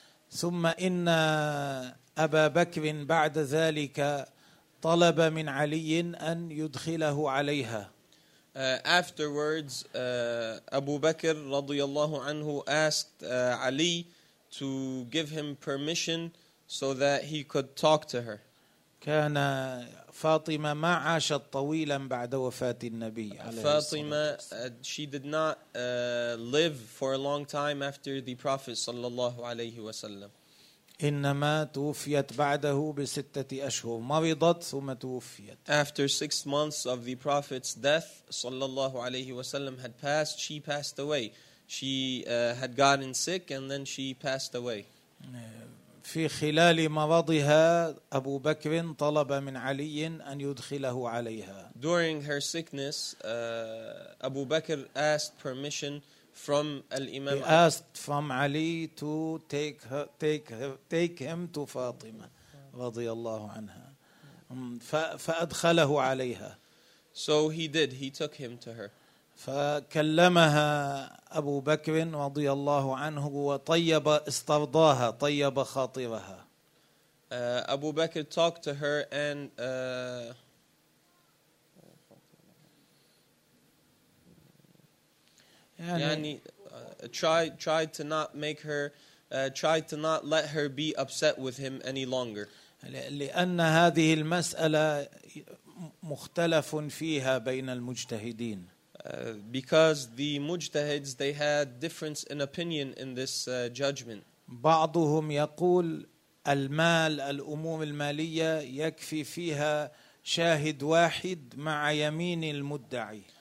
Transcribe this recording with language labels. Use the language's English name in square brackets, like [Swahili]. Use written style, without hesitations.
[Arabic] ثم إن أبا بكر بعد ذلك طلب من علي أن يدخله عليها. [English] Afterwards, Abu Bakr رضي الله عنه asked Ali to give him permission so that he could talk to her. [Arabic] كان فاطمة ما عاشت طويلا بعد وفاة النبي عليه الصلاة والسلام. [English] فاطمة, she did not live for a long time after the Prophet صلى الله عليه وسلم. [Arabic] إنما توفيت بعده بستة أشهر مرضت ثم توفيت. [English] After 6 months of the Prophet's death, صلى الله عليه وسلم had passed, she passed away. She had gotten sick and then she passed away. [Arabic] في خلال مرضها أبو بكر طلب من علي أن يدخله عليها. [English] During her sickness, Abu Bakr asked permission from al-Imam. He asked from Ali to take him to Fatima رضي الله عنها. [Arabic] فأدخله عليها. [English] So he did. He took him to her. [Arabic] فكلمها أبو بكر رضي الله عنه وطيب استرضاها طيب خاطرها. [English] Abu Bakr talked to her and يعني tried to not make her tried to not let her be upset with him any longer. [Arabic] لأن هذه المسألة مختلف فيها بين المجتهدين. [English] Because the mujtahids, they had difference in opinion in this judgment. [Arabic] بعضهم يقول المال الأموم المالية يكفي فيها شاهد واحد مع يمين المدعي.